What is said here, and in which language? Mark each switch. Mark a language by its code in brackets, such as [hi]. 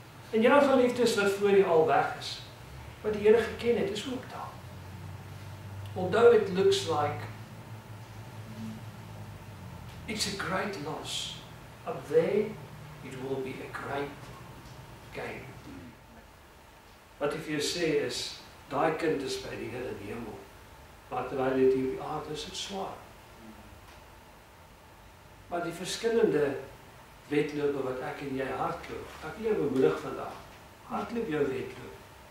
[af] En jou geliefdes wat voor jou al weg is, wat die Here geken het, is ook daar. [en] Although it looks like it's a great loss, up there it will be a great gain. [af] Wat ek vir jou sê is, daai kind is by die Here in die hemel, maar terwyl dit hier op die aarde is, het swaar. Maar die verskillende wedlope wat ek en jy hardloop, ek wil jou bemoedig vandag, hardloop jou wedloop.